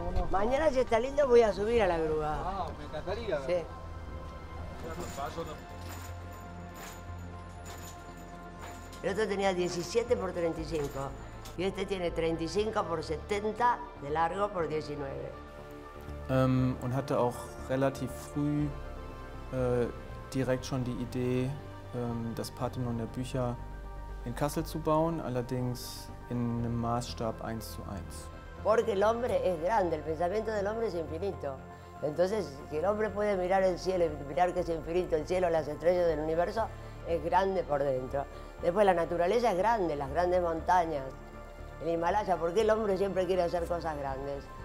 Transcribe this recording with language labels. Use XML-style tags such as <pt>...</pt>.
<es>Mañana si está lindo voy a subir a la grúa. Ah, me encantaría. Sí. El otro tenía 17 por 35 y este tiene 35 por 70 de largo por 19.</es> <de>Und hatte auch relativ früh direkt schon die Idee, das Partenon der Bücher in Kassel zu bauen, allerdings in einem Maßstab 1:1.</de> <es>Porque el hombre es grande, el pensamiento del hombre es infinito. Entonces, si el hombre puede mirar el cielo y mirar que es infinito, el cielo, las estrellas del universo, es grande por dentro. Después, la naturaleza es grande, las grandes montañas, el Himalaya, porque el hombre siempre quiere hacer cosas grandes.</es>